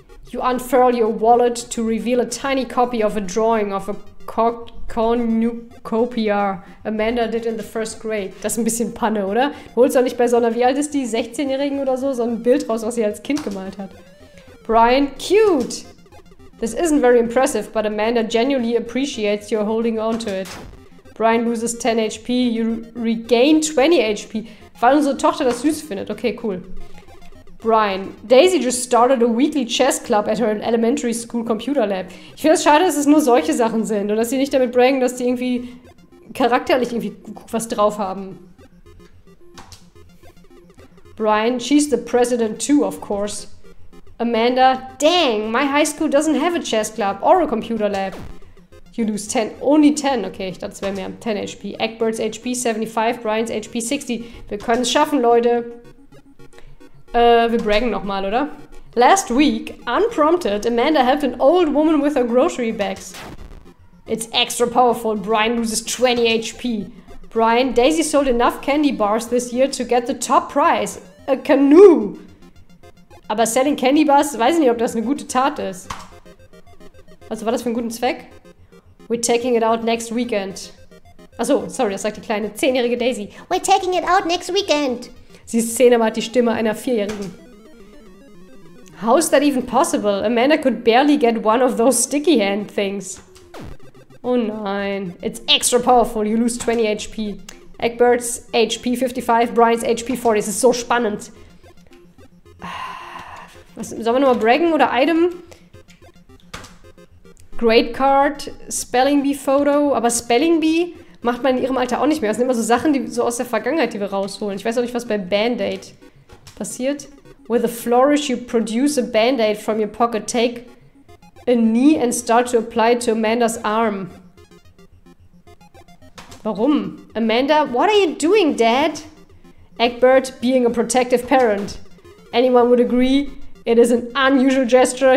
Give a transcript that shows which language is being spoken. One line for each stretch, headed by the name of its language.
English: You unfurl your wallet to reveal a tiny copy of a drawing of a cornucopia Amanda did in the first grade.
German: Das ist ein bisschen Panne, oder? Holst du nicht bei so einer, wie alt ist die, 16-Jährigen oder so, so ein Bild raus, was sie als Kind gemalt hat.
English: Brian, cute! This isn't very impressive, but Amanda genuinely appreciates your holding on to it. Brian loses 10 HP, you regain 20 HP.
German: Weil unsere Tochter das süß findet. Okay, cool.
English: Brian, Daisy just started a weekly chess club at her elementary school computer lab.
German: Ich finde es schade, dass es nur solche Sachen sind und dass sie nicht damit bringen, dass die irgendwie charakterlich irgendwie was drauf haben.
English: Brian, she's the president too, of course. Amanda, dang, my high school doesn't have a chess club or a computer lab. You lose 10, only 10.
German: Okay, ich dachte, es wäre mehr. 10 HP. Egbert's HP 75, Brian's HP 60. Wir können es schaffen, Leute. Wir braggen nochmal, oder?
English: Last week, unprompted, Amanda helped an old woman with her grocery bags. It's extra powerful. Brian loses 20 HP. Brian, Daisy sold enough candy bars this year to get the top prize. A canoe!
German: Aber selling candy bars, weiß ich nicht, ob das eine gute Tat ist. Also war das für einen guten Zweck?
English: We're taking it out next weekend.
German: Achso, sorry, das sagt die kleine 10-jährige Daisy.
English: We're taking it out next weekend.
German: Sie ist 10, aber hat die Stimme einer 4-jährigen.
English: How is that even possible? Amanda could barely get one of those sticky hand things.
German: Oh nein.
English: It's extra powerful. You lose 20 HP.
German: Eggbert's HP 55, Brian's HP 40. Es ist so spannend. Was, sollen wir nochmal braggen oder item?
English: Great Card, Spelling Bee Photo.
German: Aber Spelling Bee macht man in ihrem Alter auch nicht mehr. Das sind immer so Sachen, die so aus der Vergangenheit, die wir rausholen. Ich weiß auch nicht, was bei Band-Aid passiert.
English: With a flourish, you produce a Band-Aid from your pocket. Take a knee and start to apply it to Amanda's arm.
German: Warum?
English: Amanda, what are you doing, Dad? Eggbert being a protective parent. Anyone would agree, it is an unusual gesture.